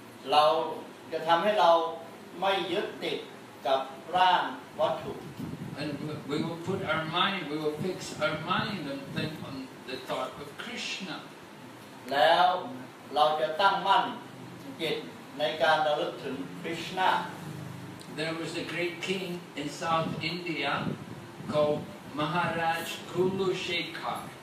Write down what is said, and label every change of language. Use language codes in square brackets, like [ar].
[th] เราจะทำให้เราไม่ยึดติดกับร่างวัตถุ [en] And we will put our mind, we will fix our mind and think on the thought of Krishna [th] แล้วเราจะตั้งมั่นจิตในการระลึกถึงคริสต์นา [en] There was a great king in South IndiaCalled Maharaj Kulushekhar.